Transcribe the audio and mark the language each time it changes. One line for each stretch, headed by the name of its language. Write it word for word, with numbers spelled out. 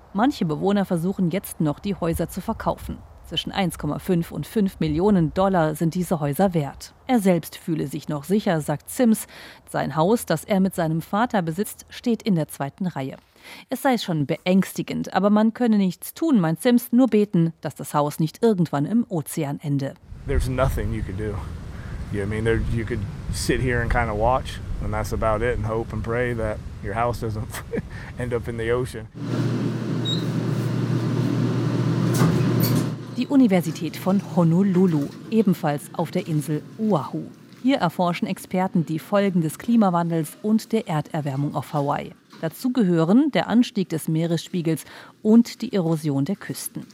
German: Manche Bewohner versuchen jetzt noch, die Häuser zu verkaufen. Zwischen eins Komma fünf und fünf Millionen Dollar sind diese Häuser wert. Er selbst fühle sich noch sicher, sagt Sims. Sein Haus, das er mit seinem Vater besitzt, steht in der zweiten Reihe. Es sei schon beängstigend, aber man könne nichts tun, meint Sims, nur beten, dass das Haus nicht irgendwann im Ozean ende.
English: There's nothing you could do. I mean, there you could sit here and kind of watch and that's about it and hope and pray that your house doesn't end up in the ocean.
German: Die Universität von Honolulu, ebenfalls auf der Insel Oahu. Hier erforschen Experten die Folgen des Klimawandels und der Erderwärmung auf Hawaii. Dazu gehören der Anstieg des Meeresspiegels und die Erosion der Küsten.